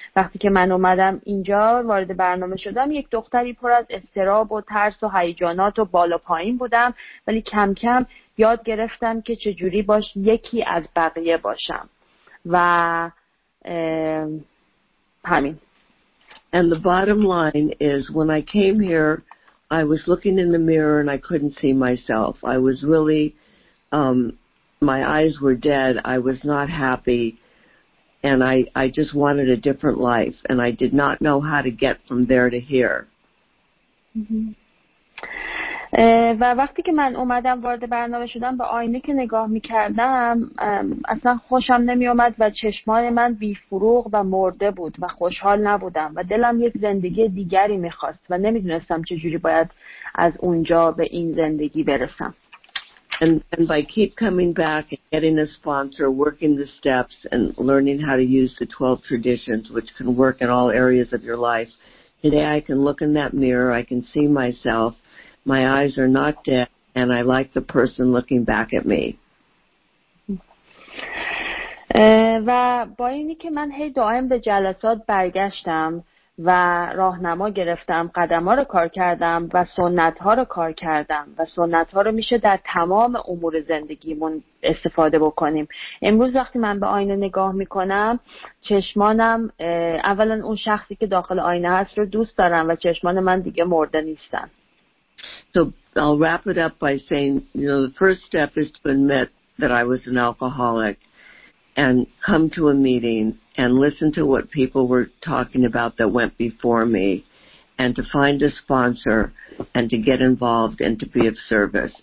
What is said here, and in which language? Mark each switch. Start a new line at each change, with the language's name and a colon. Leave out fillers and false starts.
Persian: وقتی که من اومدم اینجا وارد برنامه شدم، یک دختری پر از استراب و ترس و هیجانات و بالا پایین بودم، ولی کم کم یاد گرفتم که چجوری باش یکی از بقیه باشم و همین.
English: And the bottom line is when I came here I was looking in the mirror and I couldn't see myself. I was really my eyes were dead. I was not happy. And I just wanted a different life. And I did not know how to get from there to here.
Persian: و وقتی که من اومدم وارد برنامه شدم به آینه که نگاه میکردم اصلا خوشم نمیومد و چشمان من بیفروغ و مرده بود و خوشحال نبودم و دلم یک زندگی دیگری میخواست و نمیدونستم چجوری باید از اونجا به این زندگی برسم.
English: And by keep coming back and getting a sponsor, working the steps and learning how to use the 12 traditions, which can work in all areas of your life, today I can look in that mirror, I can see myself, my eyes are not dead, and I like the person looking back at me.
Persian: و با اینی که من هی دائم به جلسات برگشتم و راهنما گرفتم، قدما رو کار کردم و سنت ها رو کار کردم و سنت ها رو میشه در تمام امور زندگیمون استفاده بکنیم. امروز وقتی من به آینه نگاه میکنم، چشمانم اولا اون شخصی که داخل آینه هست رو دوست دارم و چشمان من دیگه مرده نیستن.
English: So I'll wrap it up by saying, you know, the first step is to admit that I was an alcoholic and come to a meeting and listen to what people were talking about that went before me and to find a sponsor and to get involved and to be of service.